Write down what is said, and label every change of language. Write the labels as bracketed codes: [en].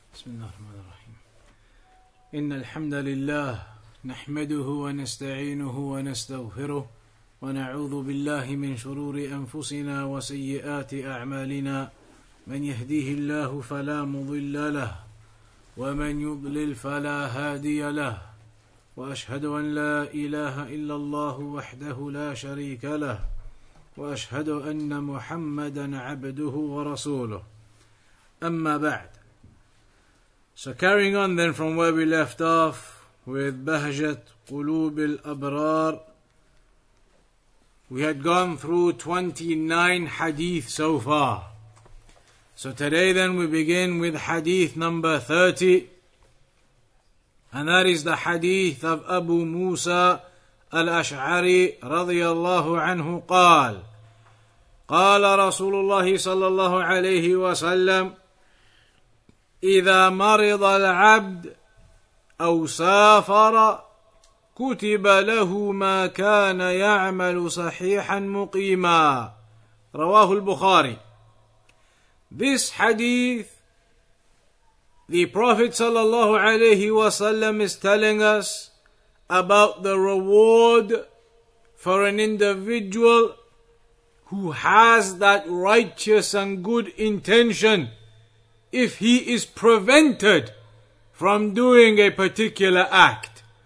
[ar] بسم الله الرحمن الرحيم إن الحمد لله نحمده ونستعينه ونستغفره ونعوذ بالله من شرور أنفسنا وسيئات أعمالنا من يهديه الله فلا مضل له ومن يضلل فلا هادي له وأشهد أن لا إله إلا الله وحده لا شريك له وأشهد أن محمدا عبده ورسوله أما بعد. [en] So carrying on then from where we left off with Bahjat Qulub al-Abrar, we had gone through 29 hadith so far. So today then we begin with hadith number 30, and that is the hadith of Abu Musa al-Ash'ari radiyallahu anhu qal. [ar] قال رسول الله صلى الله عليه وسلم إذا مرض العبد أو سافر كتب له ما كان يعمل صحيحا مقيما رواه البخاري. [en] This hadith, the Prophet صلى الله عليه وسلم is telling us about the reward for an individual who has that righteous and good intention if he is prevented from doing a particular act.